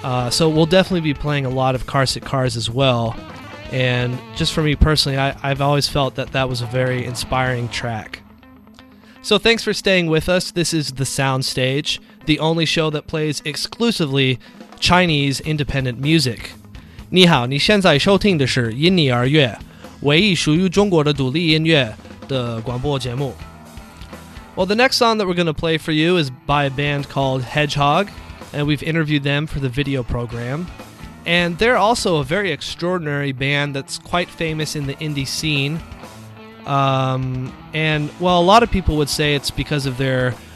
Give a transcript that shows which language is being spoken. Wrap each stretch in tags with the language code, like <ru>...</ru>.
<en>So we'll definitely be playing a lot of Car Sick Cars as well. And just for me personally, I've always felt that that was a very inspiring track. So thanks for staying with us. This is The Soundstage, the only show that plays exclusively Chinese independent music.</en> <zh>你好，你现在收听的是因你而乐，唯一属于中国的独立音乐的广播节目。</zh> <en>Well, the next song that we're going to play for you is by a band called Hedgehog. And we've interviewed them for the video program. And they're also a very extraordinary band that's quite famous in the indie scene. And, well, a lot of people would say it's because of their</en>